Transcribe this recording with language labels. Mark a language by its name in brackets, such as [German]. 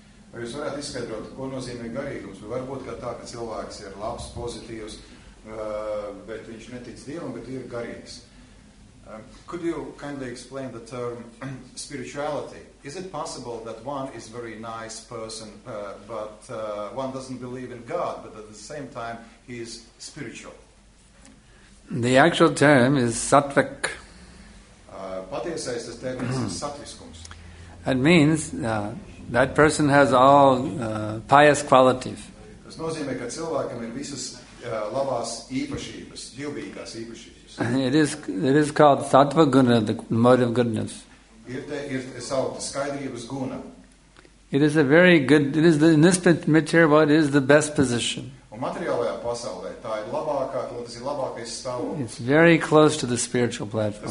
[Latvian] Vai jūs varētu izskaidrot, ko nozīmē garīgums? Varbūt kā tā, ka cilvēks ir labs, pozitīvs, bet viņš netic Dievam, bet ir garīgs. [English] Could you kindly explain the term spirituality? Is it possible that one is a very nice person, but one doesn't believe in God, but at the same time he is spiritual? The actual term is sattvik. [Latvian] Patiesais tas termins ir sattviskums. [English] That means that person has all pious qualities. [Latvian] Tas nozīmē, ka cilvēkam ir visas labās īpašības, dievbijīgās īpašības. [English] It is called sattva guna, the mode of goodness. In this material world, it is the best position. It's very close to the spiritual platform.